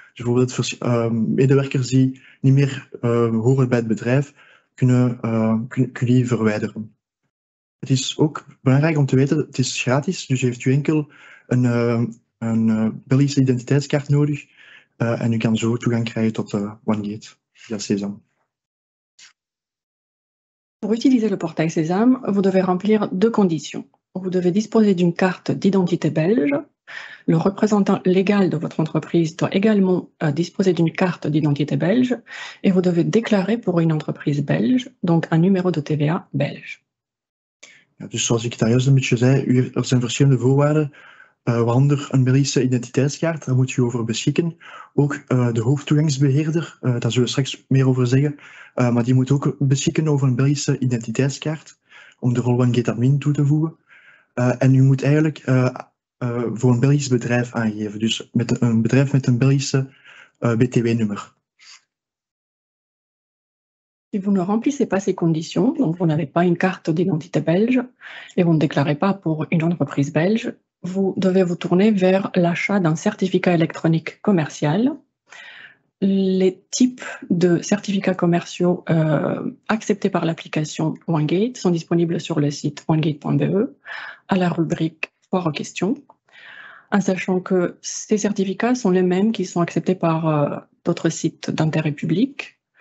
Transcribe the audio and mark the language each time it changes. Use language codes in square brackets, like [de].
[nl] Dus bijvoorbeeld medewerkers die niet meer horen bij het bedrijf, kunnen die verwijderen. Het is ook belangrijk om te weten, het is gratis, dus heeft u enkel een Belgische identiteitskaart nodig. En u kan zo toegang krijgen tot OneGate via Sésame. [fr] Pour utiliser le portail Sésame, vous devez remplir deux conditions. Vous devez disposer d'une carte d'identité belge. Le représentant légal de votre entreprise doit également disposer d'une carte d'identité belge et vous devez déclarer pour une entreprise belge, donc un numéro de TVA belge. [nl] Ja, dus zoals ik daar juist een beetje zei, er zijn verschillende voorwaarden, waaronder een Belgische identiteitskaart, daar moet je over beschikken. Ook de hoofdtoegangsbeheerder, daar zullen we straks meer over zeggen, maar die moet ook beschikken over een Belgische identiteitskaart om de rol van OneGate Admin toe te voegen. En u moet eigenlijk voor een Belgisch bedrijf aangeven, dus met een bedrijf met een Belgische BTW-nummer. [fr] Si vous ne remplissez pas ces conditions, donc vous n'avez pas une carte d'identité belge et vous ne déclarez pas pour une entreprise belge, vous devez vous tourner vers l'achat d'un certificat électronique commercial. Les types de certificats commerciaux acceptés par l'application OneGate sont disponibles sur le site onegate.be à la rubrique foire aux questions, en sachant que ces certificats sont les mêmes qui sont acceptés par d'autres sites d'intérêt public.